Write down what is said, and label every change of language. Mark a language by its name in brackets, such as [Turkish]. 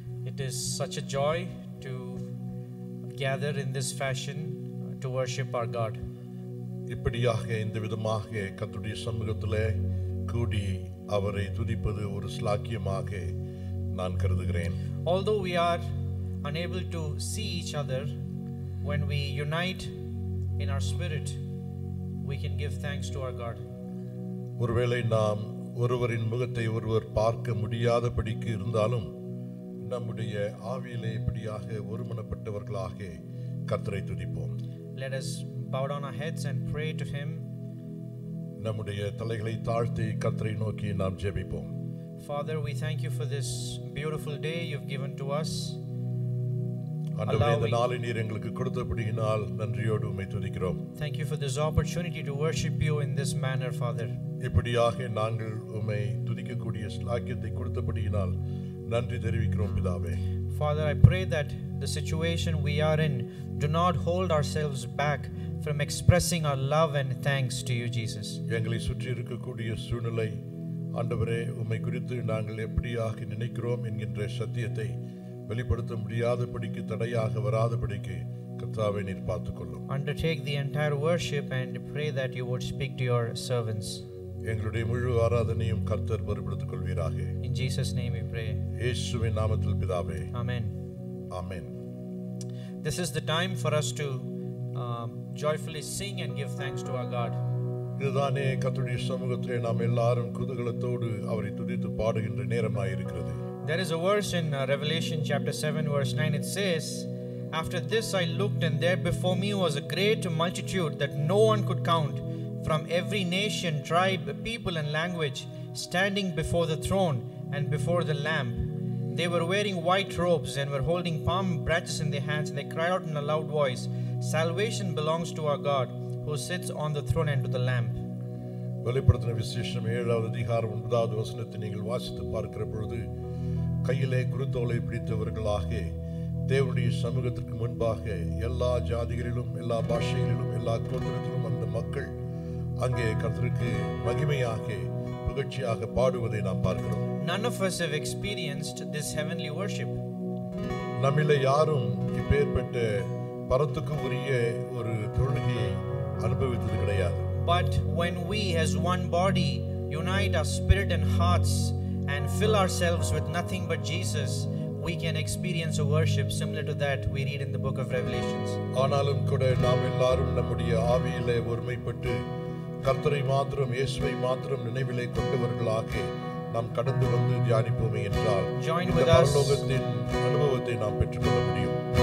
[English] It is such a joy to gather in this fashion to worship our God. [Tamil] இப்படியாக இந்த விதமாக கர்த்தருடைய சமூகத்திலே கூடி அவரை துதிப்பது ஒரு சலாக்கியமாக நான் கருதுகிறேன். [English] Although we are unable to see each other, when we unite in our spirit, we can give thanks to our God. [Tamil] ஒருவேளை நாம் ஒருவரின் முகத்தை ஒருவர் பார்க்க முடியாதபடிக்கு இருந்தாலும் நம்முடைய ஆவியிலே இப்படியாக ஒருமனப்பட்டவர்களாக கர்த்தரை துதிப்போம். [English] Let us bow down our heads and pray to him. [Tamil] நம்முடைய தலைகளை தாழ்த்தி கர்த்தரை நோக்கி நாம் ஜெபிப்போம். [English] Father, we thank you for this beautiful day you've given to us. [Tamil] ஆண்டவரே, இந்த நாளை நீர் எங்களுக்கு கொடுத்தபடியினால் நன்றியோடு உம்மை துதிக்கிறோம். [English] Thank you for this opportunity to worship you in this manner, Father. [Tamil] இப்படியாக நாங்கள் உம்மை துதிக்கக்கூடிய சலாக்கியத்தை கொடுத்தபடியினால் நன்றி தெரிவிக்கிறோம் பிதாவே. [English] Father, I pray that the situation we are in do not hold ourselves back from expressing our love and thanks to you, Jesus. [Tamil] எங்களை சுற்றி இருக்கக்கூடிய சூழ்நிலை ஆண்டவரே உம்மை குறித்து நாங்கள் எப்படியாக நினைக்கிறோம் என்கின்ற சத்தியத்தை வெளிப்படுத்த முடியாதபடிக்கு தடையாக வராதபடிக்கு கர்த்தாவே நீர் பார்த்துக்கொள்ளும். [English] Undertake the entire worship and pray that you would speak to your servants. [Tamil] எங்களுடைய முழு ஆராதனையும் கர்த்தர் பொறுப்படுத்திக் கொள்வீராக. [English] In Jesus' name we pray. [Tamil] இயேசுவின் நாமத்தில் பிதாவே. [English] Amen. Amen. This is the time for us to joyfully sing and give thanks to our God. [Tamil] இதுதானே கர்த்தருடைய சமூகத்திலே நாம் எல்லாரும் குதூகலத்தோடு அவரை துதித்து பாடுகின்ற நேரமாயிருக்கிறது. [English] There is a verse in Revelation chapter 7 verse 9. It says, after this I looked and there before me was a great multitude that no one could count, from every nation, tribe, people and language, standing before the throne and before the Lamb. They were wearing white robes and were holding palm branches in their hands, and they cried out in a loud voice, salvation belongs to our God who sits on the throne and to the Lamb. [Tamil] வெளிப்படுத்தின விசேஷம் 7:9 வசனத்தை நீங்கள் வாசித்து பார்க்கிற பொழுது, கையிலே குருத்தோலை பிடித்தவர்களாக தேவனுடைய சமூகத்திற்கு முன்பாக எல்லா ஜாதிகளிலும் எல்லா பாஷைகளிலும் எல்லா கோத்திரத்திலும் அந்த மக்கள் அங்கே கர்த்தருக்கு மகிமையாக புகழ்ச்சியாக பாடுவதை நாம் பார்க்கிறோம். [English] None of us have experienced this heavenly worship. [Tamil] நம்மிலே யாரும் இப்பேற்பட்ட பரத்துக்கு உரிய ஒரு தொழுகையை அனுபவித்தது கிடையாது. [English] But when we as one body unite our spirit and hearts and fill ourselves with nothing but Jesus, we can experience a worship similar to that we read in the book of Revelations. [Tamil] ஆனாலும் கூட நாம் எல்லாரும் நம்முடைய ஆவியிலே ஒருமைப்பட்டு கர்த்தரை மாத்திரம் இயேசுவை மாத்திரம் நினைவிலே கொண்டவர்களாக நாம் கடந்து வந்து தியானிப்போமே என்றால் [English] join with us [Tamil] பரலோகத்தின் அனுபவத்தை நாம் பெற்றுக்கொள்ள முடியும்.